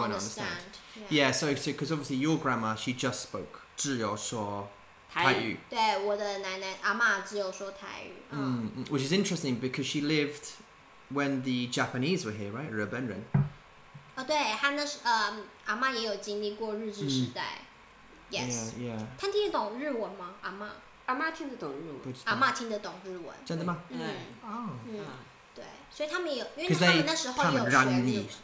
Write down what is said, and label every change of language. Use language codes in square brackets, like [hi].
[en] They won't understand. Yeah, so because obviously your grandma, she just spoke [zh] 只有说台语。对，我的奶奶阿嬷只有说台语。 [en] Which is interesting because she lived when the Japanese were here, right? [zh] 日本人。对，她那时阿嬷也有经历过日治时代。 [en] Yes. Yeah. [zh] 她听得懂日文吗？阿嬷？阿嬷听得懂日文。阿嬷听得懂日文。真的吗？对。所以他们有，因为他们那时候有学日。